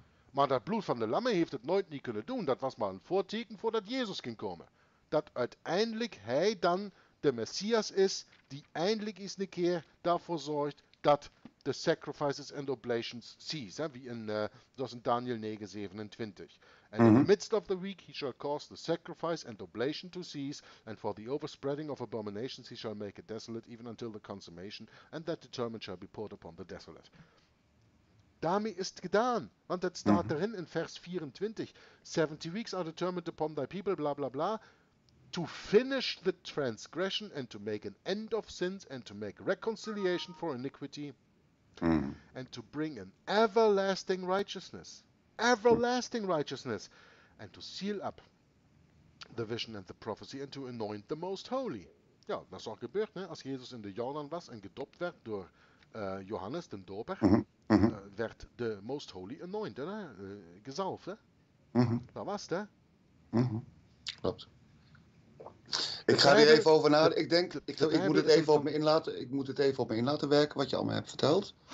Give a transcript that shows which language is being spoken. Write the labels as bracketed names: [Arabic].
[Dutch] Maar dat bloed van de lammen heeft het nooit niet kunnen doen. Dat was maar een voorteken voordat Jezus ging komen. Dat uiteindelijk hij dan de Messias is, die eindelijk eens een keer daarvoor zorgt dat de [English] sacrifices and oblations cease. [Dutch] Hè? Wie in Daniel 9, 27. [English] And in the midst of the week he shall cause the sacrifice and oblation to cease, and for the overspreading of abominations he shall make it desolate even until the consummation, and that determined shall be poured upon the desolate. [Dutch] Daarmee is het gedaan, want het staat erin in vers 24. [English] 70 weeks are determined upon thy people, bla bla bla, to finish the transgression and to make an end of sins and to make reconciliation for iniquity and to bring an everlasting righteousness. Everlasting righteousness. And to seal up the vision and the prophecy and to anoint the most holy. [Dutch] Ja, dat is ook gebeurd, ne? Als Jezus in de Jordaan was en gedopt werd door Johannes den Doper, werd de [English] most holy anointed, [Dutch] gezalfd. Dat was het, hè? Klopt. Ik ga hier even over nadenken. Ik moet het even op me in laten werken, wat je allemaal hebt verteld.